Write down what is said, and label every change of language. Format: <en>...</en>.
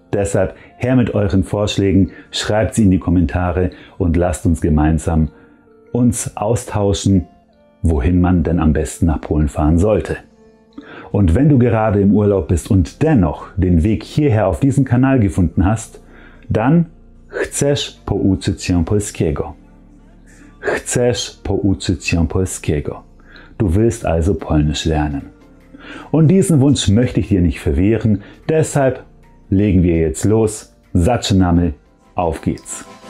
<de>Deshalb her mit euren Vorschlägen, schreibt sie in die Kommentare und lasst uns gemeinsam uns austauschen, wohin man denn am besten nach Polen fahren sollte. Und wenn du gerade im Urlaub bist und dennoch den Weg hierher auf diesen Kanal gefunden hast, dann</de> <pl>chcesz pouczyć się polskiego. Chcesz pouczyć się polskiego.</pl> <de>Du willst also Polnisch lernen. Und diesen Wunsch möchte ich dir nicht verwehren, deshalb legen wir jetzt los.</de> <pl>Zaczynamy,</pl> <de>auf geht's.</de>